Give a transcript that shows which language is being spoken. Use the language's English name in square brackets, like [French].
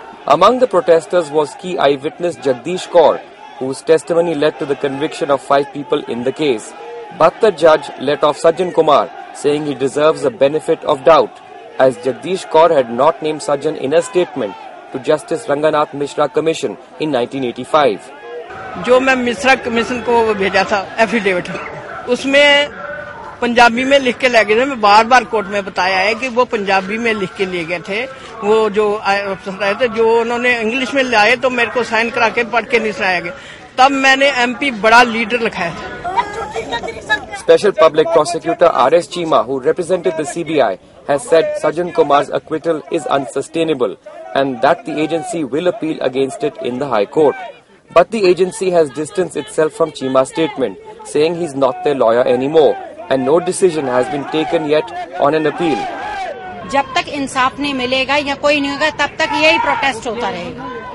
[English] Among the protesters was key eyewitness Jagdish Kaur, whose testimony led to the conviction of five people in the case. But the judge let off Sajjan Kumar, saying he deserves the benefit of doubt, as Jagdish Kaur had not named Sajjan in a statement to Justice Ranganath Mishra Commission in 1985. [Hindi] जो मैं Mishra commission को भेजा था affidavit उसमें पंजाबी में लिख के ले गए थे. मैं बार बार कोर्ट में बताया है कि वो पंजाबी में लिख के लिए गए थे. वो जो अफसर आए थे जो उन्होंने इंग्लिश में लाए तो मेरे को साइन करा के पढ़ के नहीं सुनाया गया. तब मैंने एमपी बड़ा लीडर लिखाया था. [English] Special public prosecutor R S Cheema, who represented the CBI, has said Sajjan Kumar's acquittal is unsustainable and that the agency will appeal against it in the high court. But the agency has distanced itself from Chima's statement, saying he's not their lawyer anymore, and no decision has been taken yet on an appeal. [Hindi] जब तक इंसाफ नहीं मिलेगा या कोई नहीं होगा तब तक यही प्रोटेस्ट होता रहेगा.